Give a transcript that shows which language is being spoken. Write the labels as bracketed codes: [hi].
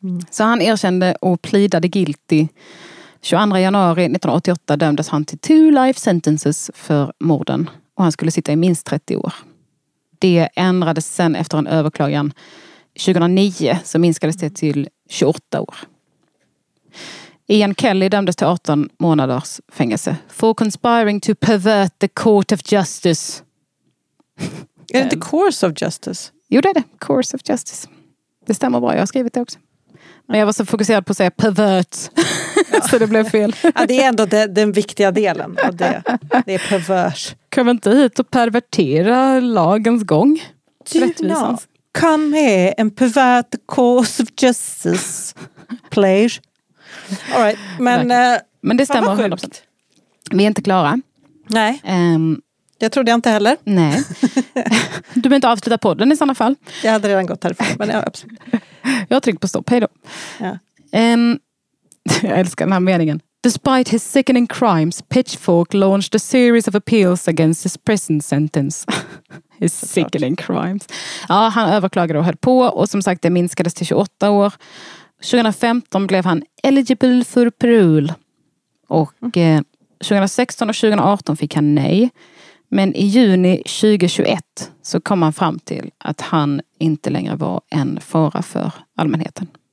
[sv] Så han erkände och plidade guilty. 22 januari 1988 dömdes han till 2 life sentences för morden. Och han skulle sitta i minst 30 år. Det ändrades sen efter en överklagan 2009, så minskades det till 28 år. Ian Kelly dömdes till 18 månaders fängelse. [en] For conspiring to pervert the court of justice. [sv] Är det [en] the course of justice? [sv] Jo, det är det. [en] Course of justice. [sv] Det stämmer bra, jag har skrivit det också. Men jag var så fokuserad på att säga pervert. Ja. Så det blev fel. Ja, det är ändå den viktiga delen av det. Det är pervers. Kom inte hit och pervertera lagens gång. Rättvisans. [en] Come here and pervert the course of justice. Please. All right, men [sv] det stämmer 100%. Vi är inte klara. Nej. Jag trodde jag inte heller. Nej. Du behöver inte avsluta podden i sådana fall. Jag hade redan gått härifrån, men ja, absolut. Jag har tryckt på stopp. Hej då. Ja. Jag älskar den här meningen. [en] Despite his sickening crimes, Pitchfork launched a series of appeals against his prison sentence. His [sv] så [en] sickening [sv] klart. [en] Crimes. [sv] Ja, han överklagade och höll på. Och som sagt, det minskades till 28 år. 2015 blev han eligible för parole. Och 2016 och 2018 fick han nej. Men i juni 2021 så kom han fram till att han inte längre var en fara för allmänheten.